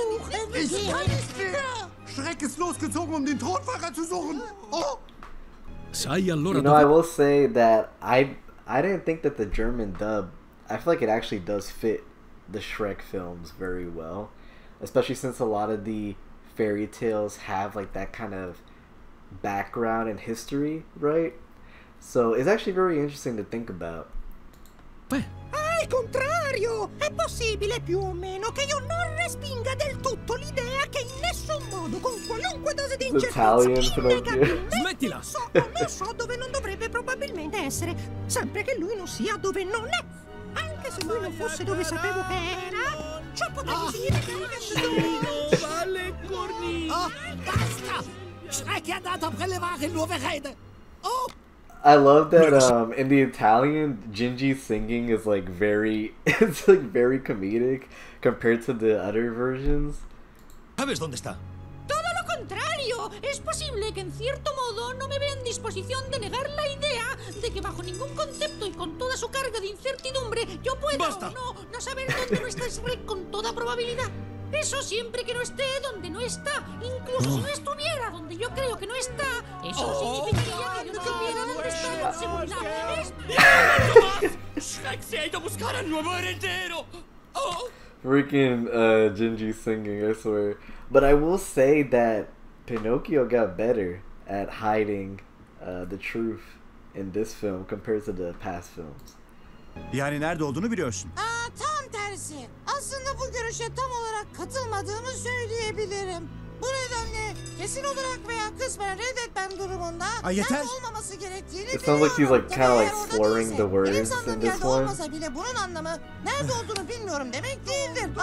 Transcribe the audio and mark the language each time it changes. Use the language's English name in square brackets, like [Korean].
[German] Shrek is losgezogen, um den Thronfolger zu suchen. [English] You know, I will say that I didn't think that the German dub, I feel like it actually does fit the Shrek films very well, especially since a lot of the fairy tales have like that kind of background and history, right? So it's actually very interesting to think about. [Italian] Al contrario, è possibile più o meno che io non respinga del tutto l'idea che in nessun modo, con qualunque dose di incertezza, innegabilmente non so come so dove non dovrebbe probabilmente essere, sempre che lui non sia dove non è. Anche se lui non fosse dove sapevo che era, ciò potrebbe dire che non è lui. Vale, corni! Basta! Shrek è andato a prelevare il nuovo erede! Oh! [English] I love that in the Italian, Gingy's singing is like very, it's like very comedic compared to the other versions. [Spanish] ¿Sabes dónde está? Todo lo contrario, es posible que en cierto modo no me vea en disposición de negar la idea de que bajo ningún concepto y con toda su carga de incertidumbre yo pueda o no saber dónde no está Shrek con toda probabilidad. Eso siempre que no esté donde no está, incluso si no estuviera donde yo creo que no está, eso significaría que yo no supiera dónde está con seguridad. Shrek se ha ido a buscar al nuevo heredero. [English] Freaking Gingy singing, I swear. But I will say that Pinocchio got better at hiding the truth in this film compared to the past films. [Turkish] Yani nerede olduğunu biliyorsun. Tam tersi. Aslında bu görüşe tam olarak katılmadığımı söyleyebilirim. Bu nedenle kesin olarak veya kısmen reddetmem durumunda yeter olmaması gerektiğini biliyorum. [English] It sounds like he's like kind of like slurring the words in this one. [Turkish] Benim olmasa bile bunun anlamı nerede olduğunu bilmiyorum demek değildir.